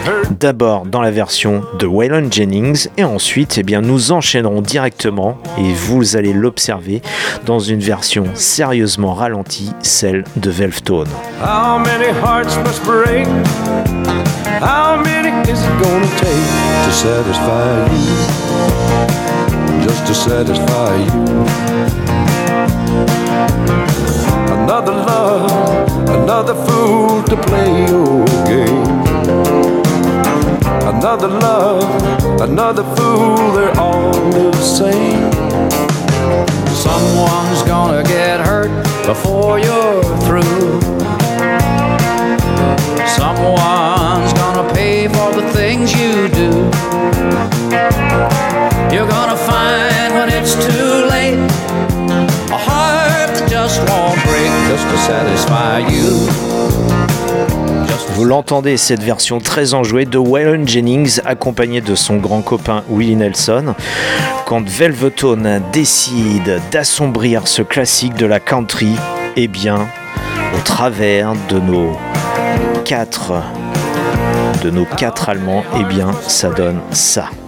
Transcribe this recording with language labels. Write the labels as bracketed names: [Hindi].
[French] D'abord dans la version de Waylon Jennings et ensuite eh bien, nous enchaînerons directement, et vous allez l'observer, dans une version sérieusement ralentie, celle de Velvetone. [English] How many hearts must break? How many is it gonna take to satisfy you? Just to satisfy you. Another love, another fool to play your game. Another love, another fool, they're all the same. Someone's gonna get hurt before you're through. Someone's gonna pay for the things you do. You're gonna find when it's too late a heart that just won't break just to satisfy you. [French] Vous l'entendez, cette version très enjouée de Waylon Jennings accompagné de son grand copain Willie Nelson. Quand Velvetone décide d'assombrir ce classique de la country, eh bien, au travers de nos quatre Allemands, eh bien, ça donne ça.